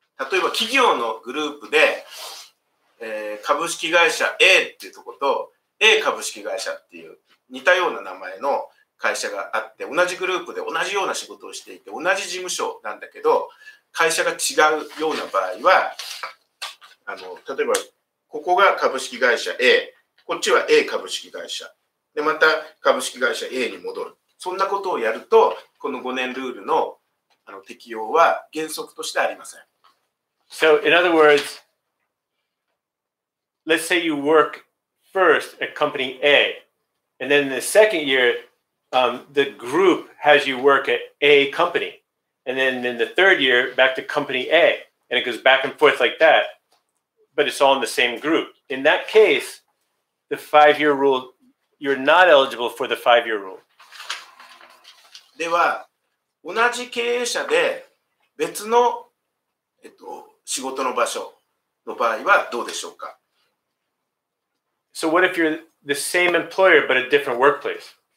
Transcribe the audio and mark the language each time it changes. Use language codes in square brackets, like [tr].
[ja] 例えば企業のグループで、株式会社 A っていうとこと A 株式会社っていう似たような名前の会社があって同じグループで同じような仕事をしていて同じ事務所なんだけど会社が違うような場合は例えばここが株式会社 A こっちは A 株式会社でまた株式会社 A に戻るそんなことをやるとこの5年ルールの、適用は原則としてありません。 [en] So, in other words, let's say you work first at company A, and then the second year, the group has you work at A company, and then in the third year, back to company A, and it goes back and forth like that, but it's all in the same group. In that case, the five-year rule, you're not eligible for the five-year rule. [ja] では、同じ経営者で別の、仕事の場所の場合はどうでしょうか? [en] So what if you're the same employer but a different workplace?